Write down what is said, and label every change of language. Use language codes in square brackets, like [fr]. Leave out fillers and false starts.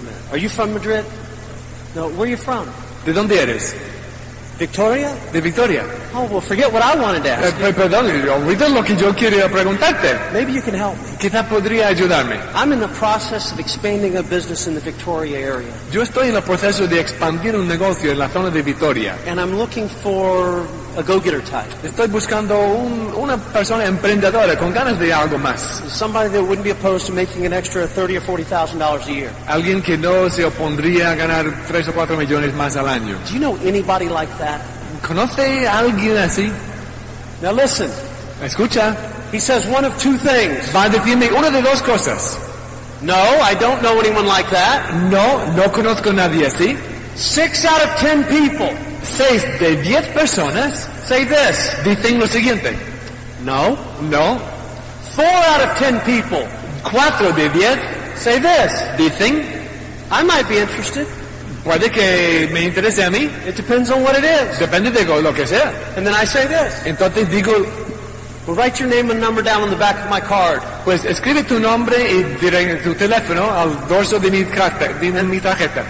[en] Are you from Madrid? No, where are you from? [es] ¿De dónde eres? [en] Victoria? [es] De Victoria. [en] Oh, well, forget what I wanted to ask you. [es] Perdón, olvida lo que yo quería preguntarte. [en] Maybe you can help me. [es] Quizá podría ayudarme. [en] I'm in the process of expanding a business in the Victoria area. [es] Yo estoy en el proceso de expandir un negocio en la zona de Victoria. [en] And I'm looking for a go-getter type. [es] Estoy buscando una persona emprendedora con ganas de algo más. [en] Somebody that wouldn't be opposed to making an extra $30,000 or $40,000 a year. [es] Alguien que no se opondría a ganar 3 o 4 millones más al año. [en] Do you know anybody like that? [es] ¿Conoce alguien así? [en] Now listen. [es] Escucha. [en] He says one of two things. [es] Va a decirme una de dos cosas. [en] No, I don't know anyone like that. [es] No, no conozco a nadie así. [en] 6 out of 10 people. [es] 6 de 10 personas. [en] Say this. [es] Dicen lo siguiente. [en] No. [es] No. [en] 4 out of 10 people. [es] 4 de 10. [en] Say this. [es] Dicen. [en] I might be interested. [es] Puede que me interese a mí. [en] It depends on what it is. [es] Depende de lo que sea. [en] And then I say this. [es] Entonces digo. [en] Well, write your name and number down on the back of my card. [es] Pues escribe tu nombre y tu teléfono al dorso de mi tarjeta.